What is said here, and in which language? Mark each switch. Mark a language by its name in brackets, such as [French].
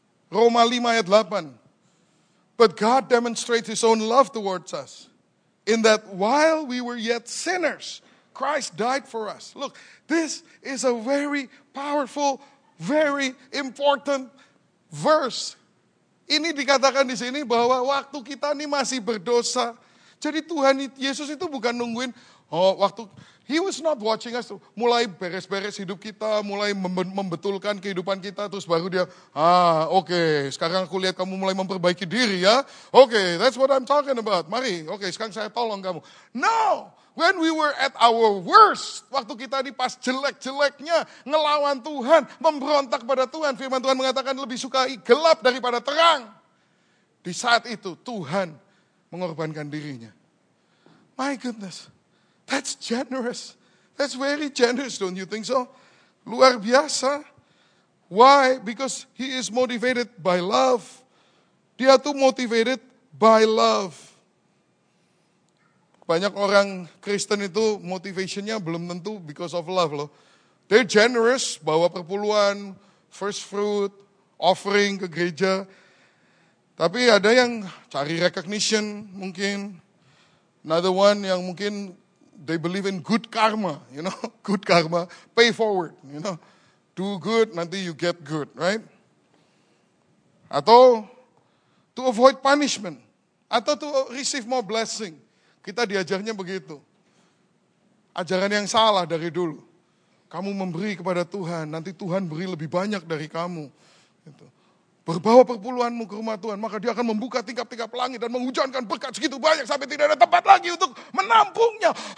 [Indonesian] Roma 5 ayat 8. [English] But God demonstrates his own love towards us in that while we were yet sinners, Christ died for us. Look, this is a very powerful, very important verse. [Indonesian] Ini dikatakan di sini bahwa waktu kita ini masih berdosa. Jadi Tuhan Yesus itu bukan nungguin [English] He was not watching us [Indonesian] mulai beres-beres hidup kita, mulai membetulkan kehidupan kita, terus baru dia, sekarang aku lihat kamu mulai memperbaiki diri ya. [English] That's what I'm talking about. [Indonesian] Mari, sekarang saya tolong kamu. [English] No, when we were at our worst, [Indonesian] waktu kita ini pas jelek-jeleknya, ngelawan Tuhan, memberontak pada Tuhan, firman Tuhan mengatakan lebih sukai gelap daripada terang. Di saat itu, Tuhan mengorbankan dirinya. [English] My goodness. That's generous. That's very generous, don't you think so? [Indonesian] Luar biasa. [English] Why? Because he is motivated by love. [Indonesian] Dia tuh [English] motivated by love. [Indonesian] Banyak orang Kristen itu motivationnya belum tentu [English] because of love [Indonesian] loh. [English] They're generous, [Indonesian] bawa perpuluhan, [English] first fruit, offering [Indonesian] ke gereja. Tapi ada yang cari recognition mungkin. [English] Another one [Indonesian] yang mungkin [English] they believe in good karma, you know, good karma, pay forward, you know, do good, [Indonesian] nanti [English] you get good, right? Atau to avoid punishment, atau to receive more blessing. [Indonesian] Kita diajarnya begitu. Ajaran yang salah dari dulu. Kamu memberi kepada Tuhan, nanti Tuhan beri lebih banyak dari kamu. Berbawa perpuluhanmu ke rumah Tuhan, maka dia akan membuka tingkap-tingkap langit dan menghujankan berkat segitu banyak sampai tidak ada tempat lagi untuk menampungnya.